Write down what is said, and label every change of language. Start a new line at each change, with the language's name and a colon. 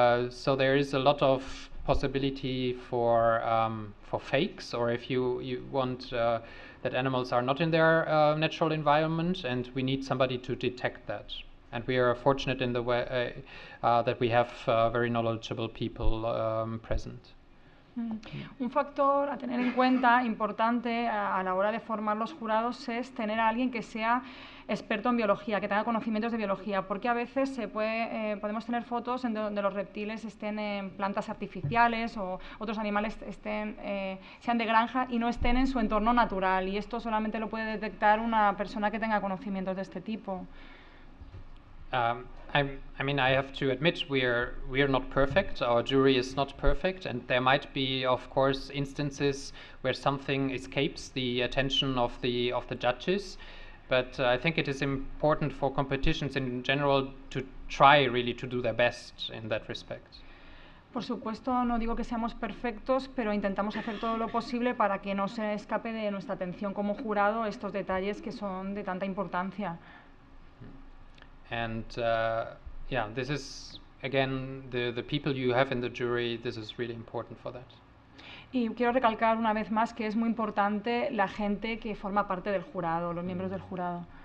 English: So there is a lot of possibility for fakes, or if you want that animals are not in their natural environment, and we need somebody to detect that. And we are fortunate in the way that we have very knowledgeable people present.
Spanish: Un factor a tener en cuenta importante a la hora de formar los jurados es tener a alguien que sea experto en biología, que tenga conocimientos de biología, porque a veces se puede, podemos tener fotos en donde los reptiles estén en plantas artificiales o otros animales estén, sean de granja y no estén en su entorno natural, y esto solamente lo puede detectar una persona que tenga conocimientos de este tipo.
English: I mean, I have to admit we are not perfect. Our jury is not perfect, and there might be, of course, instances where something escapes the attention of the judges. But I think it is important for competitions in general to try really to do their best in that respect.
Spanish: Por supuesto, no digo que seamos perfectos, pero intentamos hacer todo lo posible para que no se escape de nuestra atención como jurado estos detalles que son de tanta importancia.
English: And yeah, this is again the people you have in the jury. This is really important for that.
Spanish: Y quiero recalcar una vez más que es muy importante la gente que forma parte del jurado, los miembros del jurado.